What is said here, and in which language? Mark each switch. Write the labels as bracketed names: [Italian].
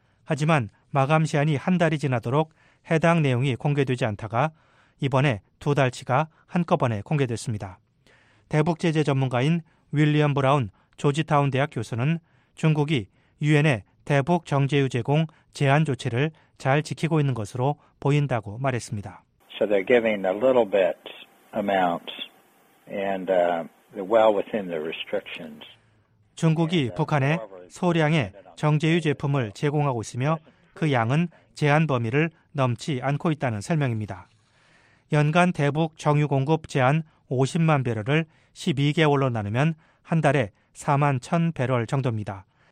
[Korean] 하지만 마감 시한이 한 달이 지나도록 해당 내용이 공개되지 않다가 이번에 두 달치가 한꺼번에 공개됐습니다. 대북 제재 전문가인 윌리엄 브라운 조지타운 대학 교수는 중국이 유엔의 대북 정제유 제공 제한 조치를 잘 지키고 있는 것으로 보인다고 말했습니다. [English] So they're giving a little bit amounts and well within the restrictions. [Korean] 중국이 북한에 소량의 정제유 제품을 제공하고 있으며 그 양은 제한 범위를 넘지 않고 있다는 설명입니다. 연간 대북 정유 공급 제한 50만 배럴을 12개월로 나누면 한 달에 4만 1천 배럴 정도입니다.